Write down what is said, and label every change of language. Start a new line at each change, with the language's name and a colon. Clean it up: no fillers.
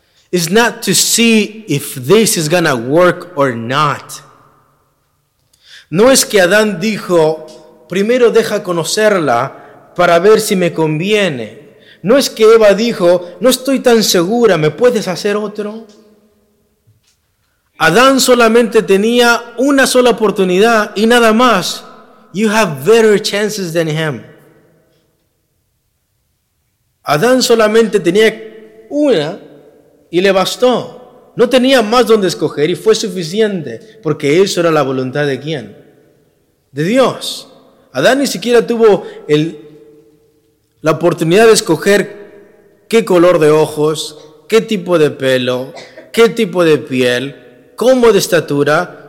English: It's not to see if this is gonna work or not.
Spanish: No es que Adán dijo: primero deja conocerla para ver si me conviene. No es que Eva dijo: no estoy tan segura, ¿me puedes hacer otro? Adán solamente tenía una sola oportunidad y nada más.
English: You have better chances than him.
Spanish: Adán solamente tenía una y le bastó. No tenía más donde escoger y fue suficiente, porque eso era la voluntad de ¿quién? De Dios. Adán ni siquiera tuvo la oportunidad de escoger qué color de ojos, qué tipo de pelo, qué tipo de piel, cómo de estatura.